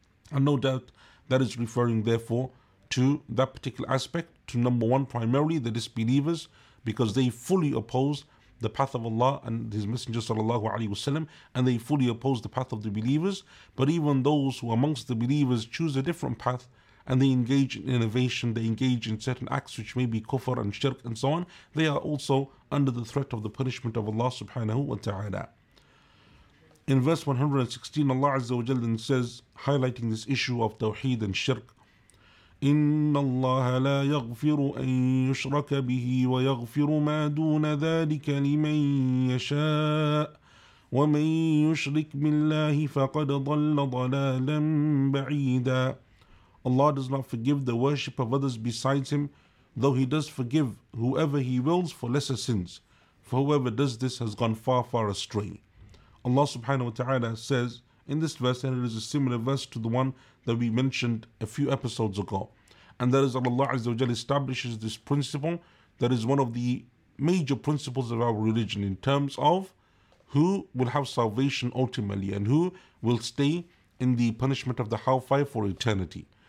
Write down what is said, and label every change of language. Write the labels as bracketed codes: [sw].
[en] And no doubt that is referring therefore to that particular aspect, to number one primarily, the disbelievers, because they fully oppose the path of Allah and His Messenger sallallahu alaihi wasallam, and they fully oppose the path of the believers. But even those who amongst the believers choose a different path, and they engage in innovation, they engage in certain acts which may be kufr and shirk and so on, they are also under the threat of the punishment of Allah subhanahu wa ta'ala. In verse 116, Allah Azza wa Jalla says, highlighting this issue of tawheed and shirk, [ar] إِنَّ اللَّهَ لَا يَغْفِرُ أَن يُشْرَكَ بِهِ وَيَغْفِرُ مَا دُونَ ذَلِكَ لِمَن يَشَاءُ وَمَن يُشْرِكْ بِاللَّهِ فَقَدْ ضَلَّ ضَلَالًا بَعِيدًا. [en] Allah does not forgive the worship of others besides Him, though He does forgive whoever He wills for lesser sins. For whoever does this has gone far, far astray. Allah subhanahu wa ta'ala says in this verse, and it is a similar verse to the one that we mentioned a few episodes ago, and that is that Allah Azza wa Jalla establishes this principle that is one of the major principles of our religion in terms of who will have salvation ultimately and who will stay in the punishment of the hellfire for eternity.